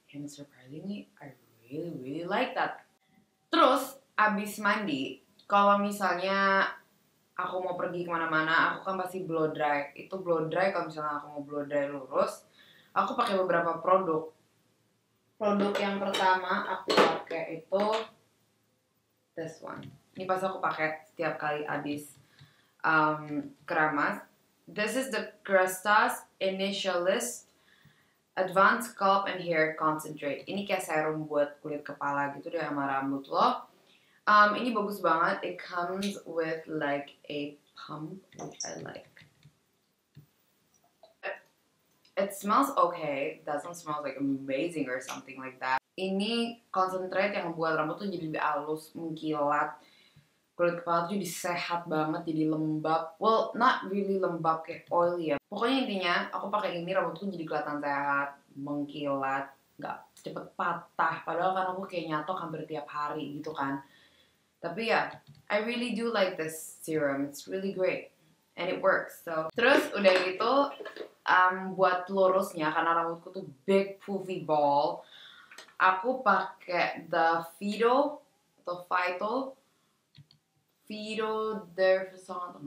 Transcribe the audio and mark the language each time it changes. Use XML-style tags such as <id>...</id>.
<en>And surprisingly, I really really like that.</en> <id>Terus abis mandi, kalau misalnya aku mau pergi kemana-mana, aku kan pasti blow dry. Itu blow dry kalau misalnya aku mau blow dry lurus, aku pakai beberapa produk. Produk yang pertama aku pakai itu</id> <en>this one.</en> <id>Ini pas aku pakai setiap kali abis keramas.</id> <en>This is the Kerastase Initialist Advanced Scalp and Hair Concentrate.</en> <id>Ini kayak serum buat kulit kepala gitu deh sama rambut lo. Ini bagus banget.</id> <en>It comes with like a pump, which I like. It smells okay, doesn't smell like amazing or something like that.</en> <id>Ini concentrate yang membuat rambut tuh jadi lebih halus, mengkilat. Kulit kepala tuh jadi sehat banget, jadi lembab.</id> <en>Well, not really</en> <id>lembab, kayak oily ya. Pokoknya intinya, aku pakai ini rambut tuh jadi kelihatan sehat, mengkilat, gak cepet patah. Padahal kan aku kayak nyatok hampir tiap hari gitu kan. Tapi ya,</id> <en>I really do like this serum. It's really great. And it works, so.</en> <id>Terus udah gitu, buat lurusnya, karena rambutku tuh</id> <en>big, poofy ball,</en> <id>Aku pakai the Fido atau Fido Fido Derfison.</id>